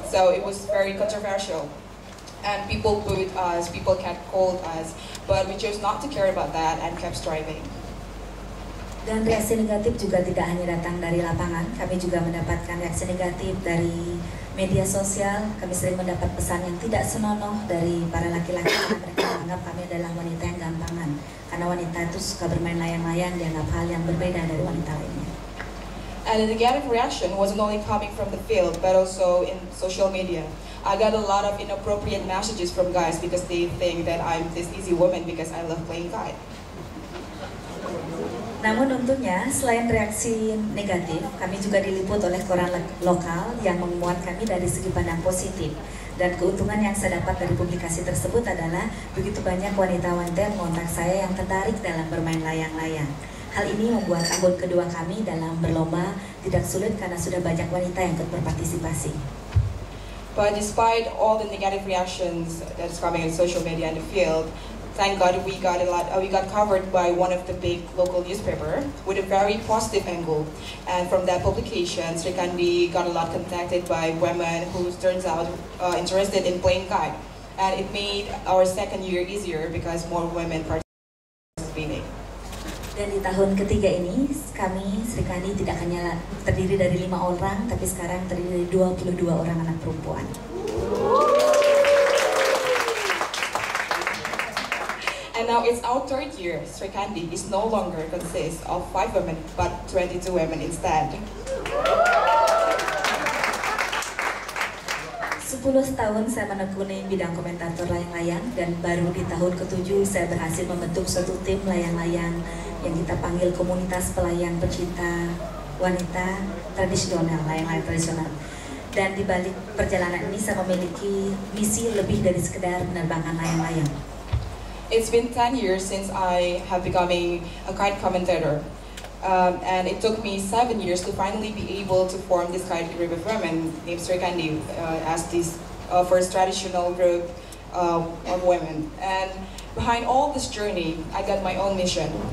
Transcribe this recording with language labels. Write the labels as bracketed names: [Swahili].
[English] So it was very controversial. And people booed us, people kept called us, but we chose not to care about that and kept striving. [Indonesian] Dan reaksi negatif juga tidak hanya datang dari lapangan, kami juga mendapatkan reaksi negatif dari media sosial. Kami sering mendapat pesan yang tidak senonoh dari para laki-laki. Mereka menganggap kami adalah wanita yang gampangan. Karena wanita itu suka bermain layang-layang, dianggap hal yang berbeda dari wanita lainnya. [English] And the negative reaction wasn't only coming from the field, but also in social media. I got a lot of inappropriate messages from guys because they think that I'm this easy woman because I love playing kite. [Indonesian] Namun untungnya, selain reaksi negatif, kami juga diliput oleh koran lokal yang memuat kami dari segi pandang positif. Dan keuntungan yang saya dapat dari publikasi tersebut adalah begitu banyak wanita-wanita yang mengontak saya yang tertarik dalam bermain layang-layang. Hal ini membuat anggota kedua kami dalam berlomba tidak sulit karena sudah banyak wanita yang ikut berpartisipasi. [English] But despite all the negative reactions that's coming in social media and the field, thank God we got covered by one of the big local newspaper with a very positive angle. And from that publication, Srikandi got a lot contacted by women who turns out interested in playing kite. And it made our second year easier because more women participated. [Indonesian] Dan di tahun ketiga ini, kami Serikandi tidak hanya terdiri dari 5 orang, tapi sekarang terdiri dari 22 orang anak perempuan. [English] And now it's our third year. Serikandi is no longer consists of 5 women, but 22 women instead. [Indonesian] 10 tahun saya menekuni bidang komentator layang-layang dan baru di tahun ke-7 saya berhasil membentuk suatu tim layang-layang yang kita panggil komunitas pelayang pecinta wanita tradisional, layang-layang tradisional. Dan di balik perjalanan ini saya memiliki misi lebih dari sekedar menerbangkan layang-layang. [English] It's been 10 years since I have become a kite commentator. And it took me 7 years to finally be able to form this kind of group of women named Serikandi as this first traditional group of women. And behind all this journey, I got my own mission.